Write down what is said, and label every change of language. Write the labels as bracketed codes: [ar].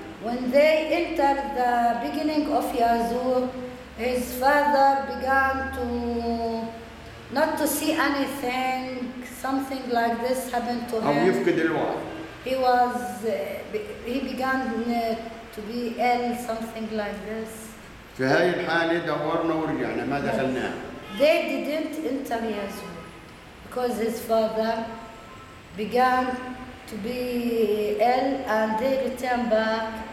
[en] When they entered the beginning of Yazur, his father began to not to see anything, something like this happened to him. [ar] أو يفقد الوعي. [en] He began to be ill, something like this. [ar] في هاي الحالة دورنا ورجعنا ما دخلناه. [en] They didn't enter Yazur because his father began to be ill and they return back.